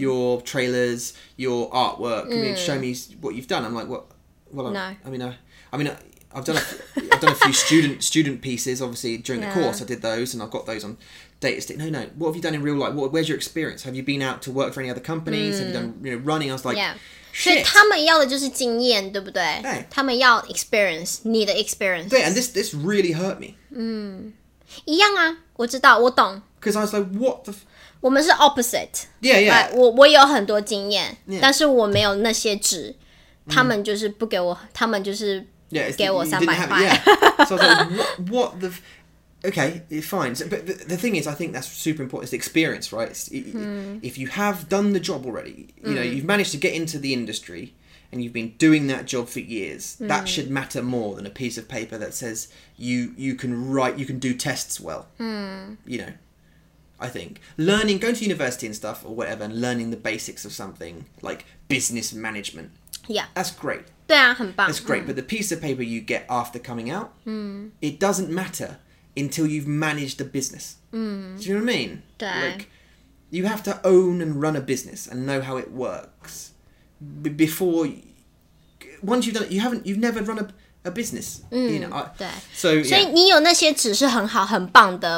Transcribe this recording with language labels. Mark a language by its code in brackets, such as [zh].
[en] your trailers, your artwork. Mm. I mean, show me what you've done. I'm like, I've done a few student pieces, obviously, during yeah. the course. I did those and I've got those on data stick. No. What have you done in real life? Where's your experience? Have you been out to work for any other companies? Mm. Have you done, you know, running? I was like... Yeah. [zh] 所以他们要的就是经验，对不对？他们要 experience 你的 experience. 对, [en] and this really hurt me. [zh] 嗯，一样啊，我知道，我懂. [en] Because I was like, what the? [zh] 我们是 opposite. [en] Yeah, yeah. Like, [zh] 我有很多经验，但是我没有那些纸，他们就是不给我，他们就是给我三百块. [en] Yeah, so I was like, what the? Okay, fine. So, but the thing is, I think that's super important. It's the experience, right? If you have done the job already, you mm. know, you've managed to get into the industry and you've been doing that job for years, mm. that should matter more than a piece of paper that says you can write, you can do tests well. Mm. You know, I think. Learning, going to university and stuff or whatever, and learning the basics of something like business management. Yeah. That's great. [zh] 对啊,很棒. [en] That's great. Mm. But the piece of paper you get after coming out, mm. it doesn't matter. Until you've managed a business. Mm. Do you know what I mean? [zh] 对. [en] Like, you have to own and run a business and know how it works before... Once you've done it, you've never run a business. Mm, you know, [zh] 对. [en] So, yeah. [zh] 所以你有那些纸是很好,很棒的.